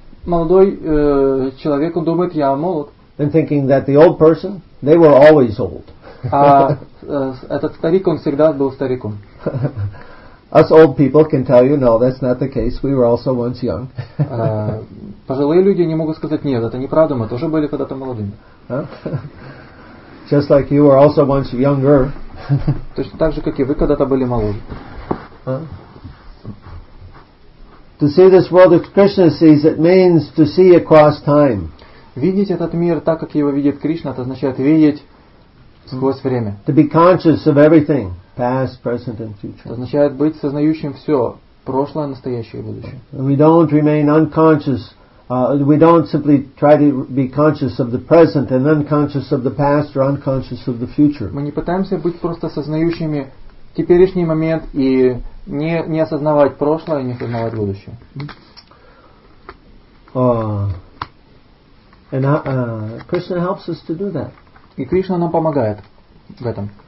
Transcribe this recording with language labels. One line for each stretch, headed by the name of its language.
Russian: Молодой человек, он думает, я молод.
English: And thinking that the old person, they were always old.
Russian: А этот старик, он всегда был стариком.
English: Us old people can tell you, no, that's not the case. We were also once young.
Russian: Пожилые люди не могут сказать, нет, это неправда, мы тоже были когда-то молодыми.
English: Just like you were also once younger.
Russian: Точно так же, как и вы когда-то были моложе.
English: To see this world as Krishna sees it means to see across time.
Russian: Видеть этот мир так, как его видит Кришна, это означает видеть сквозь время.
English: To be conscious of everything, past, present, and future.
Russian: Это означает быть сознающим все, прошлое, настоящее и будущее.
English: We don't remain unconscious. We don't simply try to be conscious of the present and unconscious of the past or unconscious of the future.
Russian: Мы не пытаемся быть просто сознающими теперешний момент и не осознавать прошлое, не осознавать будущее.
English: Krishna helps us to do that.
Russian: И Кришна нам помогает в этом.